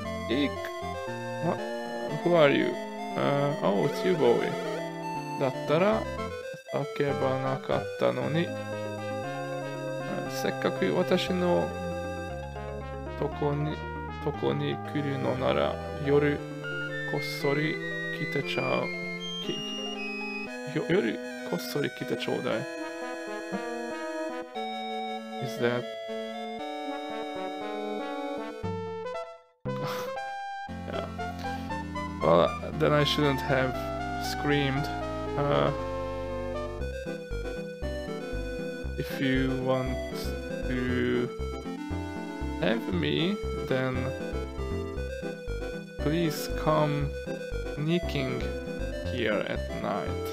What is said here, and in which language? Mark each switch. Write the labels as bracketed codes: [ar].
[en] Eek! What? Who are you? Oh, it's you, Bowie. [ja] だったら叫ばなかったのに、せっかく私のとこに来るのなら夜こっそり来てちゃう、夜こっそり来てちょうだい。 [en] Is that Well, then I shouldn't have screamed. If you want to have me, then please come sneaking here at night.